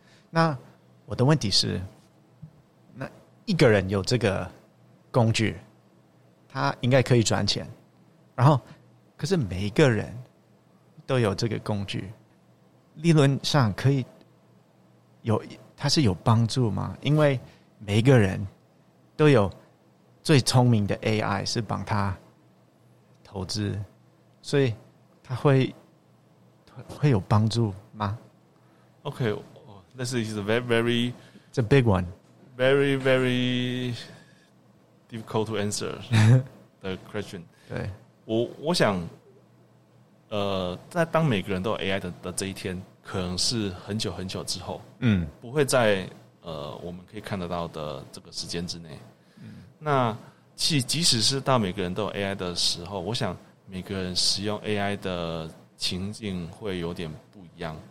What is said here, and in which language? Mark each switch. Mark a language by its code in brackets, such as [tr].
[zh] 那我的问题是，那一个人有这个工具，他应该可以赚钱，然后可是每一个人都有这个工具，理论上可以有，它是有帮助吗？因为每一个人都有最聪明的 AI 是帮他投资，所以他会有帮助吗？ [en] OK, this is a very very it's a big one, very very difficult to answer the question. [zh] 对，我想在当每个人都有 AI 的这一天，可能是很久很久之后，不会在我们可以看得到的这个时间之内。那其实即使是到每个人都有 AI 的时候，我想每个人使用 AI 的情境会有点不一样。